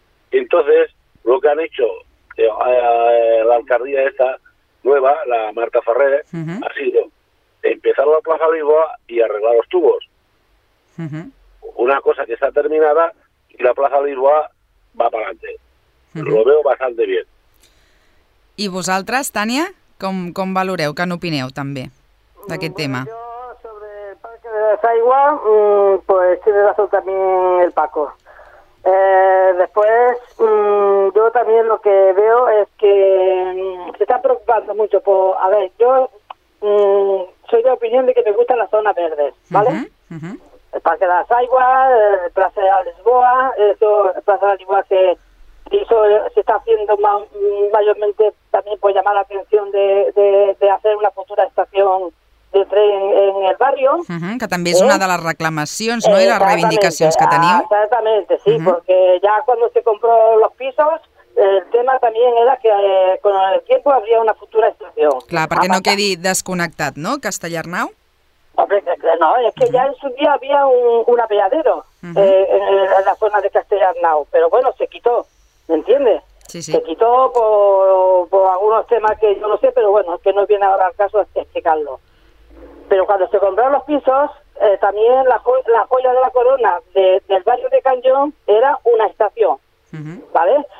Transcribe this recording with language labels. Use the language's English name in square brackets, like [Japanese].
[Spanish] Entonces, lo que han hecho la alcaldía esta nueva, la Marta Ferrer, uh-huh. ha sido empezar la Plaza Lisboa y arreglar los tubos. Uh-huh. Una cosa que está terminada y la Plaza Lisboa va para adelante. Uh-huh. Lo veo bastante bien. [Catalan] ¿Y vosaltres, Tània, com valoreu, que n'opineu també d'aquest tema? [Spanish] De desaigua, pues tiene razón también el Paco. Después, yo también lo que veo es que se está preocupando mucho por... A ver, yo soy de opinión de que me gustan las zonas verdes, ¿vale? Uh-huh. El Parque de desaigua, Plaza de Lisboa, eso, Plaza de Lisboa se está haciendo mayormente también por llamar la atención de hacer una futura estación de tren en el barrio. [Catalan] Uh-huh, que també és una de les reclamacions, no? I les reivindicacions que teniu. [Spanish] Exactamente, sí, uh-huh. porque ya cuando se compró los pisos, el tema también era que con el tiempo habría una futura estación. [Catalan] Clar, perquè no quedi desconnectat, no, Castellarnau? [Spanish] Hombre, no, es que uh-huh. ya en su día había un apeadero uh-huh. En la zona de Castellarnau, pero bueno, se quitó, ¿me entiendes? Sí, sí. Se quitó por algunos temas que yo no sé, pero bueno, que no viene ahora al caso explicarlo. Pero cuando se compraron los pisos, también la joya de la corona del barrio de Cañón era una estación, uh-huh. ¿vale?